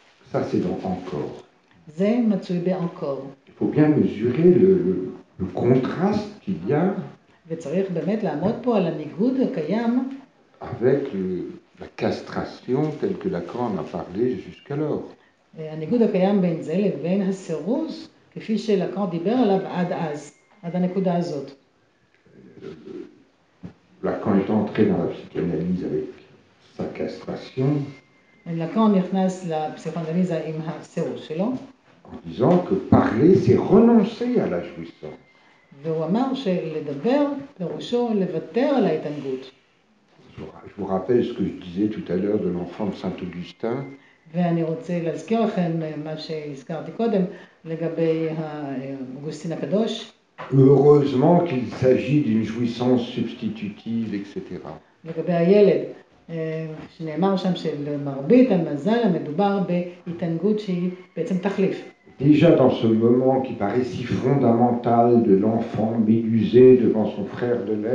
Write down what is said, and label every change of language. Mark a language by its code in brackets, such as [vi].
[fr] Ça, c'est dans encore. Il faut bien mesurer le contraste qu'il y a. [he] וצריך באמת לעמוד פה על הניגוד הקיים. [fr] Avec la castration telle que Lacan en a parlé jusqu'alors. [he] הניגוד הקיים בין זה לבין הסירוס, כפי שלקאן דיבר עליו עד אז, עד הנקודה הזאת. [fr] Lacan est entré dans la psychanalyse avec sa castration. [he] Lacan נכנס לפסיכואנליזה עם הסירוס שלו. [fr] En disant que parler, c'est renoncer à la jouissance. [he] והוא אמר שלדבר פירושו לוותר על ההתענגות. [fr] Je vous rappelle ce que je disais tout à l'heure de l'enfant de Saint Augustin. [he] ואני רוצה להזכיר לכם מה שהזכרתי קודם לגבי אוגוסטין הקדוש. [fr] Heureusement qu'il s'agit d'une jouissance substitutive, etc. [he] לגבי הילד, שנאמר שם שלמרבית המזל המדובר בהתענגות שהיא בעצם תחליף. [fr] Déjà dans ce moment qui paraît si fondamental de l'enfant médusé devant son frère de